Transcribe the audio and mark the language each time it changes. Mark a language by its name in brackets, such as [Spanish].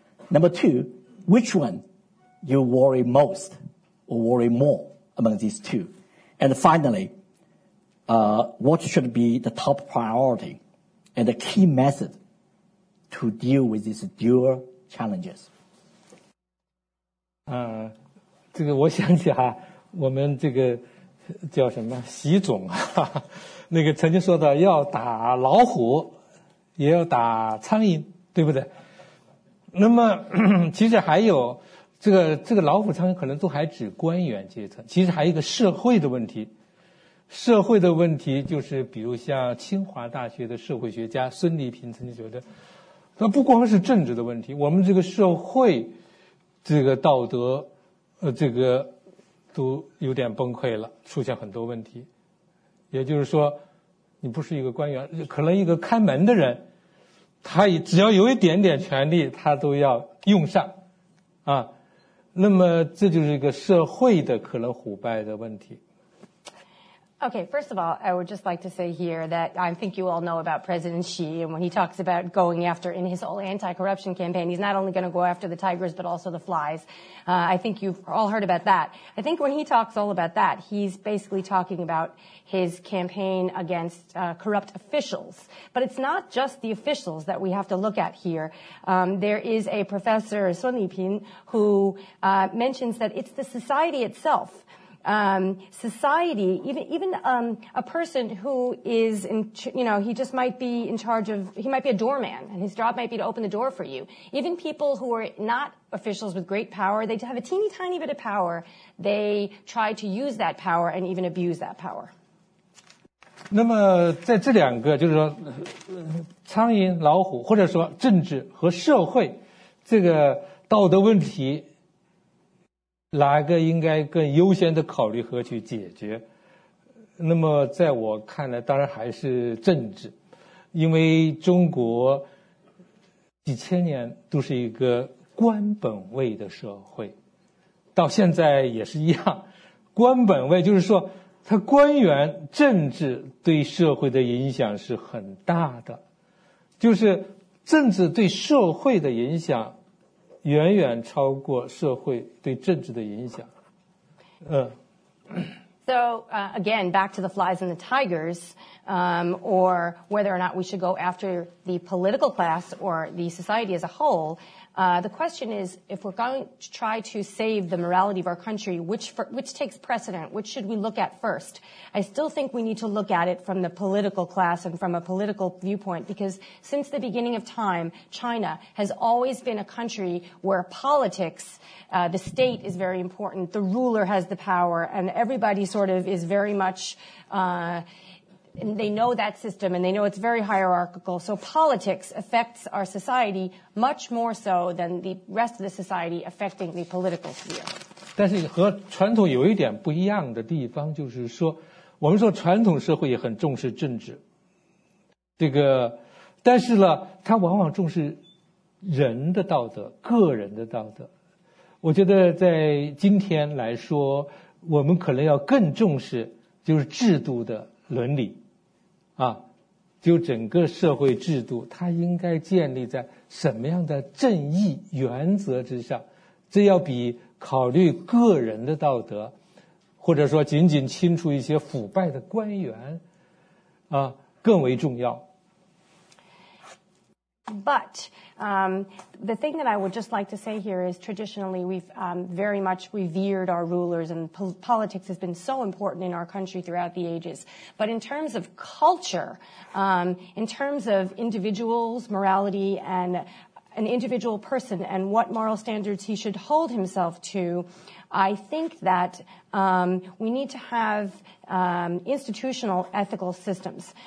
[English] Number two, which one you worry most? Or worry more among these two? And finally, what should be the top priority and the key method to deal with these dual challenges? [Chinese] 这个我想起哈，我们这个叫什么习总啊，那个曾经说的要打老虎也要打苍蝇，对不对？那么其实还有这个老虎苍蝇可能都还指官员阶层，其实还有一个社会的问题。社会的问题就是比如像清华大学的社会学家孙立平曾经觉得，那不光是政治的问题，我们这个社会这个道德这个都有点崩溃了，出现很多问题。也就是说你不是一个官员，可能一个开门的人，他只要有一点点权力他都要用上啊。那么这就是一个社会的可能腐败的问题。 [English] Okay, first of all, I would just like to say here that I think you all know about President Xi, and when he talks about going after, in his whole anti-corruption campaign, he's not only going to go after the tigers, but also the flies. I think you've all heard about that. I think when he talks all about that, he's basically talking about his campaign against corrupt officials. But it's not just the officials that we have to look at here. There is a professor, Sun Yipin, who mentions that it's the society itself. Society, even a person who is in, you know, he just might be in charge of, he might be a doorman and his job might be to open the door for you. Even people who are not officials with great power, they have a teeny tiny bit of power. They try to use that power and even abuse that power. [Chinese] 那么在这两个就是说苍蝇老虎或者说政治和社会这个道德问题哪个应该更优先的考虑和去解决那么在我看来当然还是政治因为中国几千年都是一个官本位的社会到现在也是一样官本位就是说他官员政治对社会的影响是很大的就是政治对社会的影响远远超过社会对政治的影响。 [English] So, again, back to the flies and the tigers, or whether or not we should go after the political class or the society as a whole, the question is, if we're going to try to save the morality of our country, which takes precedent? Which should we look at first? I still think we need to look at it from the political class and from a political viewpoint, because since the beginning of time, China has always been a country where politics, the state is very important, the ruler has the power, and everybody sort of is very much... And they know that system, and they know it's very hierarchical. So politics affects our society much more so than the rest of the society affecting the political sphere. [Chinese] 但是和传统有一点不一样的地方就是说，我们说传统社会也很重视政治。这个，但是呢，它往往重视人的道德，个人的道德。我觉得在今天来说，我们可能要更重视就是制度的伦理。啊，就整个社会制度，它应该建立在什么样的正义原则之上？这要比考虑个人的道德，或者说仅仅清除一些腐败的官员，啊，更为重要。 [English] But, the thing that I would just like to say here is traditionally we've, very much revered our rulers and politics has been so important in our country throughout the ages. But in terms of culture, in terms of individuals, morality and an individual person and what moral standards he should hold himself to, I think that, we need to have, institutional ethical systems.